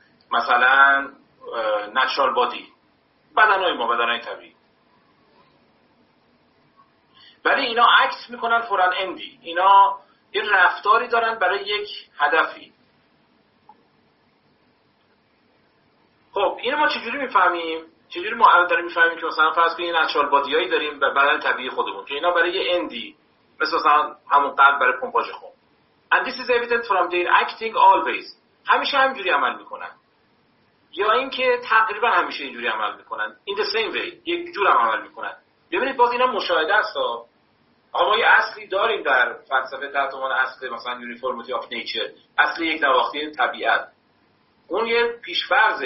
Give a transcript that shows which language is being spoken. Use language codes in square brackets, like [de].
[fa] مثلا نچرال بادی، بدن های ما، بدن های طبیعی، ولی اینا عکس میکنن فوراً اندی، اینا این رفتاری دارن برای یک هدفی. خب اینو ما چجوری میفهمیم؟ چجوری ما داریم میفهمیم که مثلا فرض کنیم نچرال بادی هایی داریم و بدن طبیعی خودمون که اینا برای یه اندی، مثلا همون قلب برای پمپاژ خون. [en] And this is evident from their acting always. [fa] همیشه همینجوری عمل میکنن. یا اینکه تقریبا همیشه اینجوری عمل میکنن. [en] In the same way. [fa] یک جور هم عمل میکنن. ببینید باز اینا مشاهده است. اما یه اصلی داریم در فلسفه تحت عنوان اصل مثلا [en] uniformity of nature. [fa] اصل یک نواختی طبیعت. اون یه پیشفرزه.